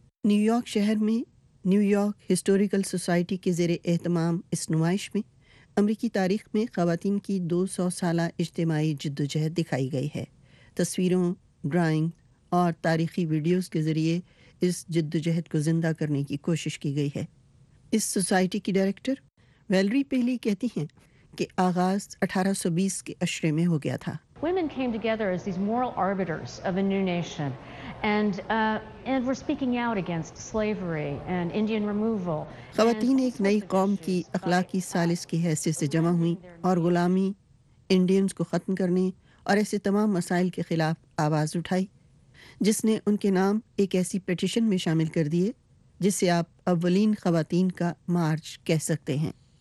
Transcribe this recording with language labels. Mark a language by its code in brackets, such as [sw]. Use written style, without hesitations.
[ur] New York شہر میں new York historical society کے زیر اہتمام اس نمائش میں امریکی تاریخ میں خواتین کی 200 سالہ اجتماعی جدوجہد دکھائی گئی ہے. تصویروں, ڈرائنگ اور تاریخی ویڈیوز کے ذریعے اس جدوجہد کو زندہ کرنے کی کوشش کی گئی ہے. اس سوسائٹی کی ڈائریکٹر ویلری پہلی کہتی ہیں کہ آغاز 1820 کے عشرے میں ہو گیا تھا. [en] Women came together as these moral arbiters of a new nation and were speaking out against slavery and Indian removal. [ur] خواتین ایک نئی قوم کی اخلاقی ثالث کی حیثیت سے جمع ہوئیں اور غلامی, انڈینز کو ختم کرنے اور ایسے تمام مسائل کے خلاف آواز اٹھائی جس نے ان کے نام ایک ایسی پیٹیشن میں شامل کر دیے جس سے آپ اولین خواتین کا مارچ کہہ سکتے ہیں.